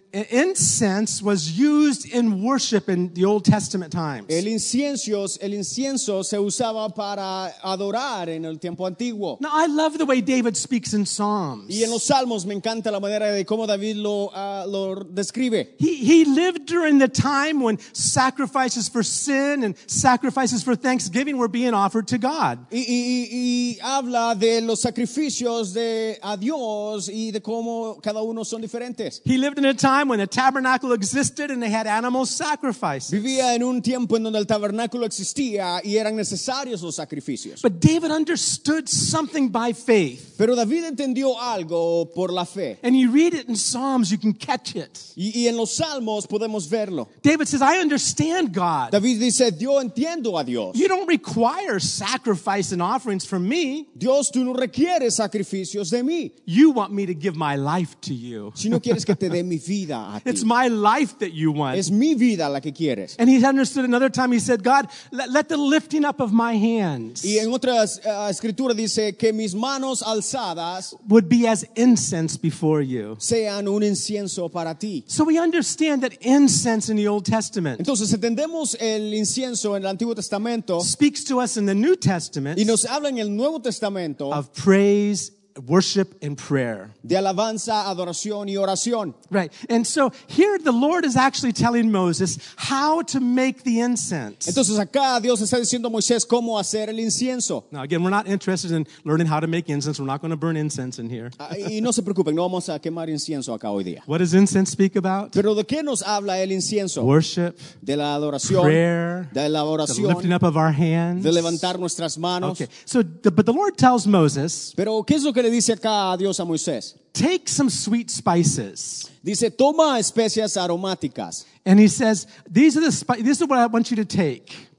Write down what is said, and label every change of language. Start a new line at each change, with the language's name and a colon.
English: Incense was used in worship in the Old Testament times.
Spanish: El incienso se usaba para adorar en el tiempo antiguo.
English: Now I love the way David speaks in Psalms.
Spanish: Y en los Salmos me encanta la manera de cómo David lo describe.
English: He lived during the time when sacrifices for sin and sacrifices for thanksgiving were being offered to God.
Spanish: Y habla de los sacrificios de a Dios y de cómo cada uno son diferentes.
English: He lived in a time time when the tabernacle existed and they had animal sacrifices.
Spanish: Vivía en un tiempo en donde el tabernáculo existía y eran necesarios los sacrificios.
English: But David understood something by faith.
Spanish: Pero David entendió algo por la fe.
English: And you read it in Psalms, you can catch it.
Spanish: Y en los Salmos podemos verlo.
English: David says, I understand God.
Spanish: David dice, yo entiendo a Dios.
English: You don't require sacrifice and offerings from me.
Spanish: Dios, tú no requieres sacrificios de mí.
English: You want me to give my life to you.
Spanish: Si no quieres que te dé mi vida a ti.
English: It's my life that you want.
Spanish: Es mi vida la que quieres.
English: And he understood another time, he said, God, let the lifting up of my hands.
Spanish: Y en otra escritura dice que mis manos alzadas
English: would be as incense before you.
Spanish: Sean un incienso para ti.
English: So we understand that incense in the Old Testament.
Spanish: Entonces entendemos el incienso en el Antiguo Testamento.
English: Speaks to us in the New Testament.
Spanish: Y nos habla en el Nuevo Testamento.
English: Of praise, worship and prayer.
Spanish: De alabanza, adoración y oración.
English: Right. And so here the Lord is actually telling Moses how to make the incense.
Spanish: Entonces acá Dios está diciendo a Moisés cómo hacer el incienso.
English: Now again, we're not interested in learning how to make incense. We're not going to burn incense in here.
Spanish: Y no se preocupen, no vamos a quemar incienso acá hoy día.
English: What does incense speak about?
Spanish: Pero ¿de qué nos habla el incienso?
English: Worship.
Spanish: De la adoración.
English: Prayer.
Spanish: De la oración.
English: The lifting up of our hands.
Spanish: De levantar nuestras manos.
English: Okay. So, but the Lord tells Moses.
Spanish: Pero ¿qué es lo que le dice acá a Dios a Moisés?
English: Take some sweet spices.
Spanish: Dice, toma especias aromáticas.
English: And he says, these are the this is what I want you to take.